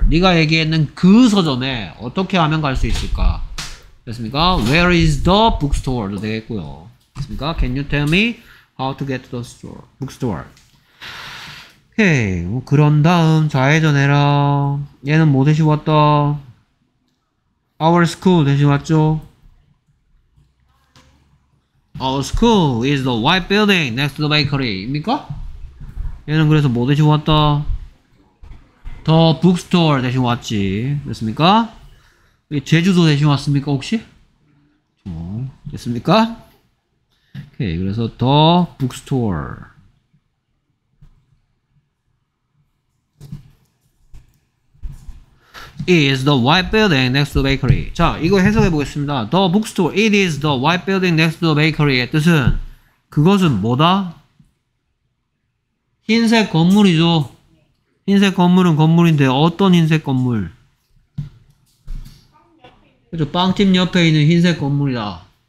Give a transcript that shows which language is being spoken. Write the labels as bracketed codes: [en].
[ko] 네가 얘기했는 그 서점에 어떻게 하면 갈 수 있을까? 됐습니까? [en] Where is the bookstore? [ko] 도 되겠고요. 됐습니까? [en] Can you tell me how to get to the store? bookstore? 오케이. [ko] 뭐 그런 다음 좌회전해라. 얘는 뭐 대신 왔다? [en] Our school [ko] 대신 왔죠? [en] Our school is the white building next to the bakery. [ko] 입니까? 얘는 그래서 뭐 대신 왔다? [en] The bookstore [ko] 대신 왔지. 됐습니까? 제주도 대신 왔습니까? 혹시? 됐습니까? 오케이. 그래서 [en] the bookstore. 이 is the white building next to the bakery. [ko] 자, 이거 해석해 보겠습니다. [en] The bookstore. It is the white building next to the bakery의 뜻은 [ko] 그것은 뭐다? 흰색 건물이죠. 흰색 건물은 건물인데 어떤 흰색 건물? 그렇죠. 빵집 옆에 있는 흰색 건물이다.